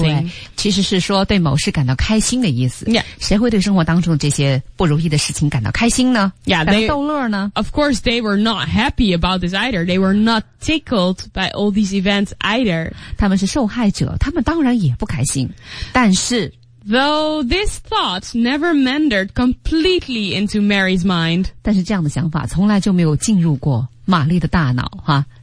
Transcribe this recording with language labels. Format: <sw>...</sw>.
<zh>对，其实是说对某事感到开心的意思。</zh> <en>Yeah.</en> <zh>谁会对生活当中这些不如意的事情感到开心呢？</zh> <en>Yeah,</en> <zh>感到逗乐呢？</zh> <en>Of course, they were not happy about this either. They were not tickled by all these events either.</en> <zh>他们是受害者，他们当然也不开心。但是</zh> <en>Though this thought never mandered completely into Mary's mind.</en> <zh>但是这样的想法从来就没有进入过玛丽的大脑哈。</zh>